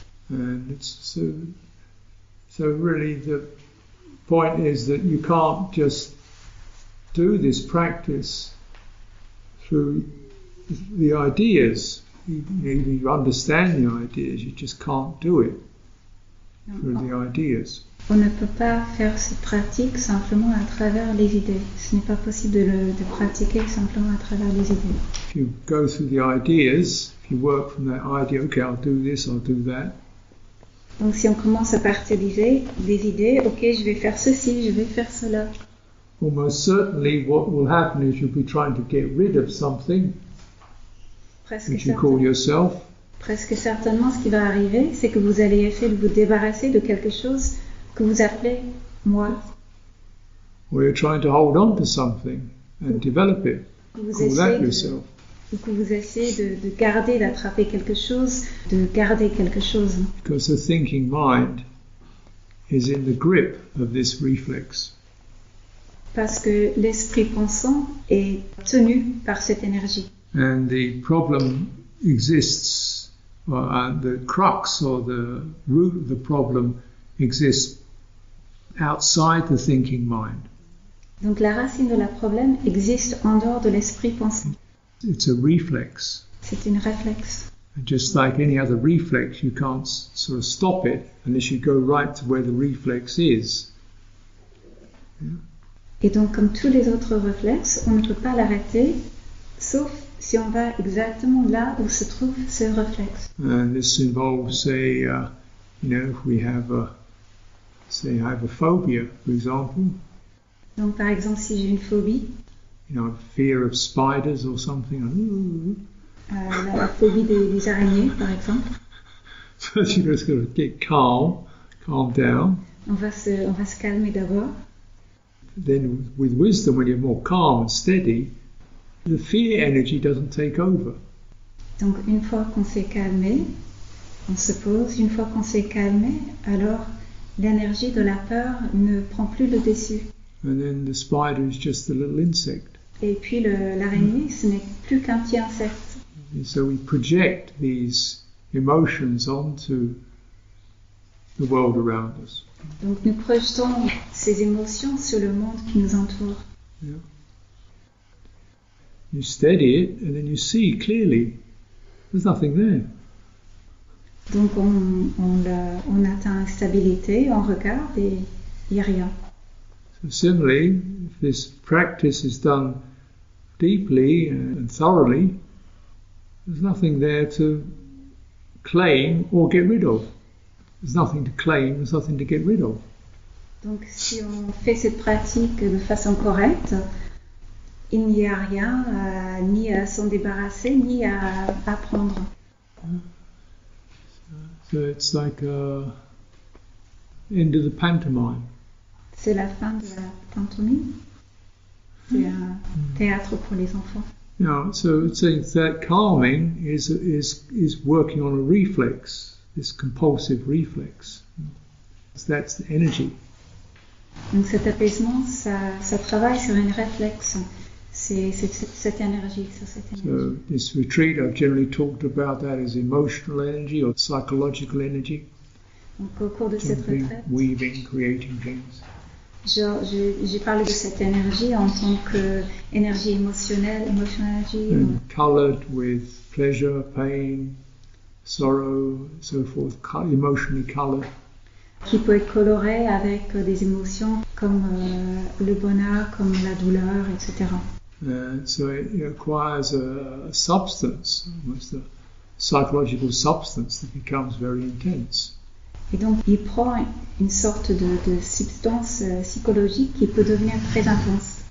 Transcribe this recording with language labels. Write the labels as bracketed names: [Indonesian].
[English] And it's so really the point is that you can't just do this practice through the ideas. Even if you understand the ideas, you just can't do it through the ideas. [French] On ne peut pas faire cette pratique simplement à travers les idées. Ce n'est pas possible de pratiquer simplement à travers les idées. [English] If you go through the ideas, if you work from that idea, okay, I'll do this, I'll do that. [French] Donc si on commence à partir des idées, ok, je vais faire ceci, je vais faire cela. [English] Almost certainly what will happen is you'll be trying to get rid of something which you call yourself. [French] Presque certainement ce qui va arriver, c'est que vous allez essayer de vous débarrasser de quelque chose que vous appelez moi. [English] Or you're trying to hold on to something and develop it. Call that yourself. [French] Ou que vous essayez de garder, d'attraper quelque chose, de garder quelque chose. [English] Because the thinking mind is in the grip of this reflex. [French] Parce que l'esprit pensant est tenu par cette énergie. [English] And the problem exists, the crux or the root of the problem exists outside the thinking mind. [French] Donc la racine de la problème existe en dehors de l'esprit pensant. [English] It's a reflex. [French] C'est une reflex. [English] And just like any other reflex, you can't sort of stop it unless you go right to where the reflex is. Yeah. [French] Et donc comme tous les autres réflexes, on ne peut pas l'arrêter, sauf si on va exactement là où se trouve ce réflexe. [English] And this involves, say, if we have a, say, I have a phobia, for example. [French] Donc, par exemple, si j'ai une phobie. [English] You know, fear of spiders or something. [French] La phobie des araignées, par exemple. [English] So you're just going to get calm down. [French] On va se calmer d'abord. [English] Then with wisdom, when you're more calm and steady, the fear energy doesn't take over. [French] Donc une fois qu'on s'est calmé, on se pose, une fois qu'on s'est calmé, alors l'énergie de la peur ne prend plus le dessus. [English] And then the spider is just a little insect. [French] Et puis l'araignée, ce n'est plus qu'un petit insecte. [English] And so we project these emotions onto the world around us. [French] Donc nous projetons ces émotions sur le monde qui nous entoure. [English] Yeah. You steady it and then you see clearly there's nothing there. [French] Donc on atteint une stabilité, on regarde et il n'y a rien. [English] So similarly, if this practice is done deeply and thoroughly, there's nothing there to claim or get rid of. There's nothing to claim, there's nothing to get rid of. [French] Donc si on fait cette pratique de façon correcte, il n'y a rien ni à s'en débarrasser, ni à apprendre. [English] So it's like a end of the pantomime. [French] C'est la fin de la pantomime. C'est un théâtre pour les enfants. [English] Now, so it's saying that calming is working on a reflex, this compulsive reflex. So that's the energy. [French] Donc cet apaisement, ça travaille sur un réflexe. C'est cette énergie, [English] So this retreat, I've generally talked about that as emotional energy or psychological energy. [French] Donc au cours de cette retraite, [English] weaving, creating things. [French] J'ai parlé de cette énergie en tant que énergie émotionnelle, [English] emotional energy. Colored with pleasure, pain, sorrow, so forth, emotionally colored. [French] Qui peut être coloré avec des émotions comme le bonheur, comme la douleur, etc. [English] So it acquires a substance, almost a psychological substance that becomes very intense. [French] Et donc il prend une sorte de substance psychologique qui peut devenir très intense.